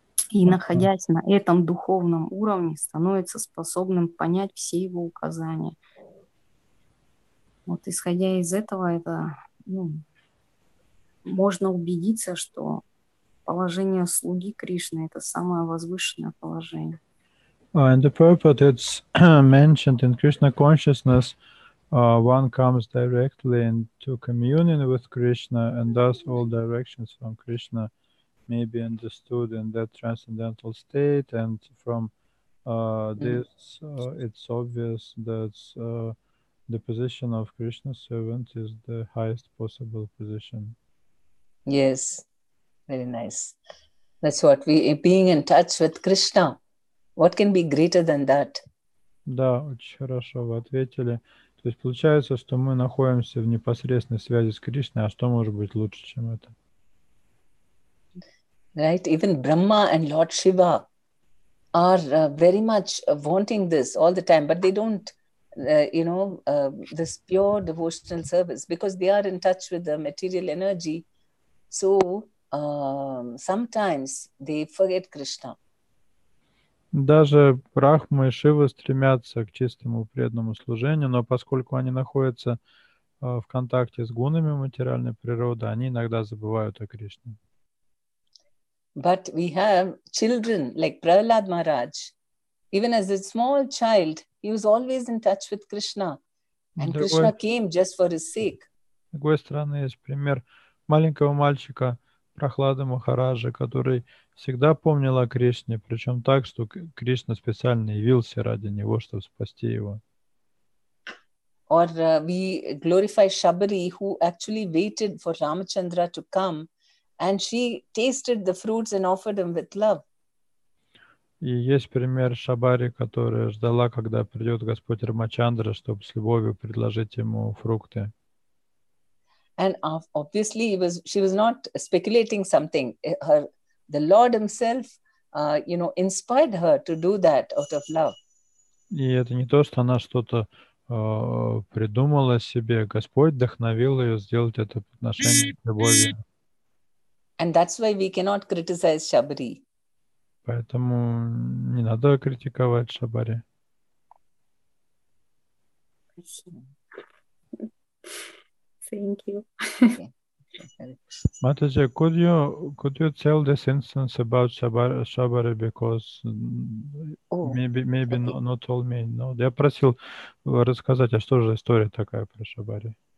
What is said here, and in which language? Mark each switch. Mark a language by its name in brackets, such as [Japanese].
[Russian] И, находясь на этом духовном уровне, становится способным понять все его указания. Вот исходя из этого, это, ну, можно убедиться, что положение слуги Кришны – это самое возвышенное положение. [English] In the purport, it's mentioned in Krishna consciousness, one comes directly into communion with Krishna, and thus all directions from Krishna may be understood in that transcendental state, and from this it's obvious that the position of Krishna's servant is the highest possible position. Yes, very nice. That's what we being in touch with Krishna. What can be greater than that? [Russian] Да, очень хорошо вы ответили. То есть получается, что мы находимся в непосредственной связи с Кришной, а что может быть лучше, чем это? [English] Right, even Brahma and Lord Shiva are very much wanting this all the time, but they don't, you know, this pure devotional service because they are in touch with the material energy. So sometimes they forget Krishna. [Russian] Даже Брахма и Шива стремятся к чистому преданному служению, но поскольку они находятся в контакте с гунами материальной природы, они иногда забывают о Кришне. [English] But we have children like Prahlad Maharaj. Even as a small child, he was always in touch with Krishna. And Krishna came just for his sake. [Russian] С другой стороны, есть пример маленького мальчика, Прохлады Махараджа, который всегда помнил о Кришне, причем так, что Кришна специально явился ради него, чтобы спасти его. [English] Or we glorify Shabari, who actually waited for Ramachandra to come, and she tasted the fruits and offered them with love. [Russian] И есть пример Шабари, которая ждала, когда придет Господь Рамачандра, чтобы с любовью предложить ему фрукты. [English] And obviously, she was not speculating something. The Lord Himself, you know, inspired her to do that out of love. [Russian] И это не то, что она что-то придумала себе. Господь вдохновил ее сделать это отношение к любви. [English] And that's why we cannot criticize Shabari. [Russian] Поэтому не надо критиковать Шабари. [English] Thank you. Mataji, could you tell this instance about Shabari because maybe okay. not all me know. [Russian] Я просил рассказать, а что же история такая про Шабари?